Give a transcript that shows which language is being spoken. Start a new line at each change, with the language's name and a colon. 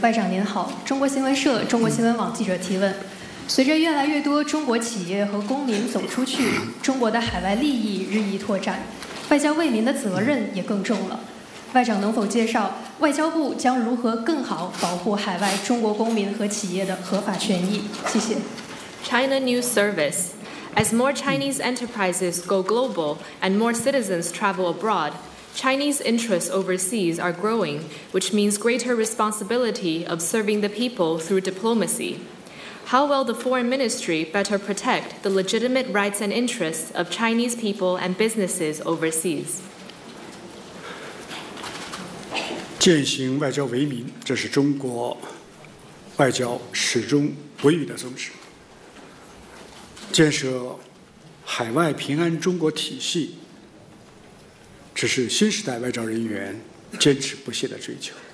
Chinese: 外长您好，中国新闻社、中国新闻网记者提问。随着越来越多中国企业和公民走出去，中国的海外利益日益拓展，外交为民的责任也更重了。外长能否介绍外交部将如何更好保护海外中国公民和企业的合法权益？谢谢。
English: China News Service. As more Chinese enterprises go global and more citizens travel abroad, Chinese interests overseas are growing, which means greater responsibility of serving the people through diplomacy. How will the Foreign Ministry better protect the legitimate rights and interests of Chinese people and businesses overseas?
Chinese: 践行外交为民，这是中国外交始终不渝的宗旨。建设海外平安中国体系，这是新时代外交人员坚持不懈的追求。